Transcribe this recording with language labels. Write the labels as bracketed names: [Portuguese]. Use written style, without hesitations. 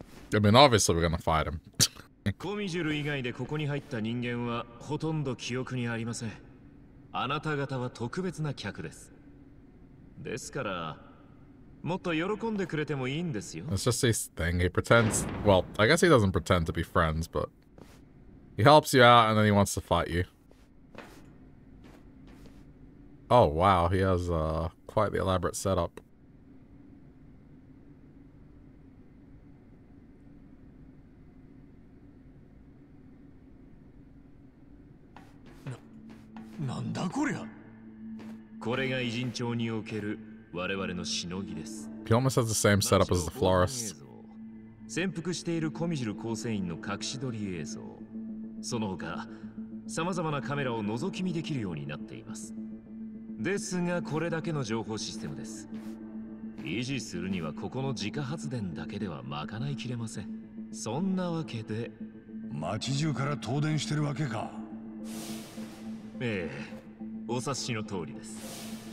[English] I mean, obviously we're gonna fight him. [Japanese] コミジュル以外でここに入った人間はほとんど記憶にありません。あなた方は特別な客です。ですから、 [English] It's just this thing. He pretends. Well, I guess he doesn't pretend to be friends, but he helps you out and then he wants to fight you. Oh, wow. He has quite the elaborate setup. [Japanese] これが偉人町における我々のしのぎです。 [English] He almost has the same setup as the florist. [Japanese] 潜伏しているコミジュル構成員の隠し撮り映像、その他様々なカメラを覗き見できるようになっています。ですが、これだけの情報システムです。維持するにはここの自家発電だけでは賄いきれません。そんなわけで、町中から東電してるわけか。ええ、お察しの通りです。